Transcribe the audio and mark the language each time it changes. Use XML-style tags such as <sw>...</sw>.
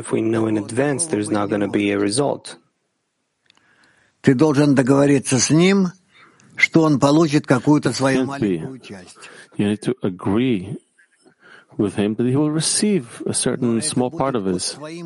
<en>If we know in advance there's not going to be a result,</en> <ru>ты должен договориться с ним, что он получит какую-то свою маленькую часть.</ru> <en>You need to agree with him that he will receive a certain small part of his.</en>